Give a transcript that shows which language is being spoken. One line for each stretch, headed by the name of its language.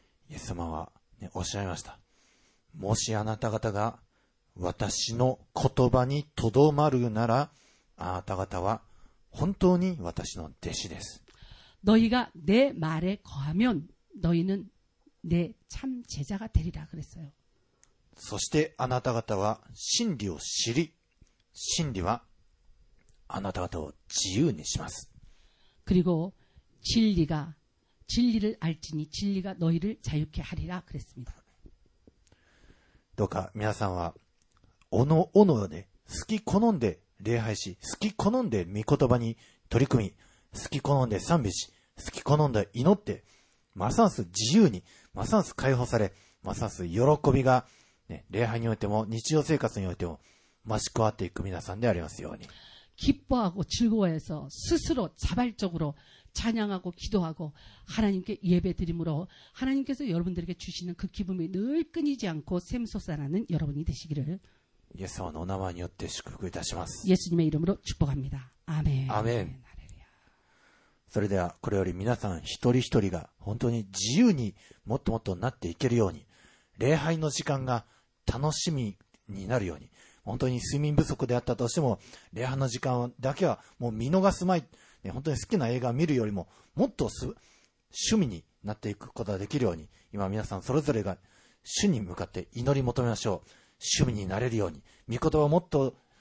Japanese: イエス様は、ね、おっしゃいました。もしあなた方が私の言葉にとどまるなら、あなた方は本当に私の弟子です。
Korean: 너희가내말에거하면너희는내참제자가되리라그랬어요。
Japanese: そしてあなた方は真理を知り、真理はあなた方を自由にします。
Korean: 그리고진리가진리를알지니진리가너희를자유케하리라그랬습니다
Japanese: どうか皆さんはおのおので好き好んで礼拝し好き好んで御言葉に取り組み好き好んで賛美し好き好んで祈ってますます自由にますます解放されますます喜びが、ね、礼拝においても日常生活においても増し加わっていく皆さんでありますように
Korean: 기뻐하고즐거워해서스스로자발적으로찬양하고기도하고하나님께예배드림으로하나님께서여러분들에게주시는그기쁨이늘끊이지않고샘솟아나는여러분이되시기를 예수님의이름으로축복합니다아멘아멘아멘아멘 예수님의이름으로축복합니다아멘
Japanese: 아멘それではこれより皆さん一人一人が本当に自由にもっともっとなっていけるように礼拝の時間が楽しみになるように本当に睡眠不足であったとしても礼拝の時間だけはもう見逃すまい、ね、本当に好きな映画を見るよりももっと趣味になっていくことができるように今皆さんそれぞれが主に向かって祈り求めましょう趣味になれるように御言葉をもっと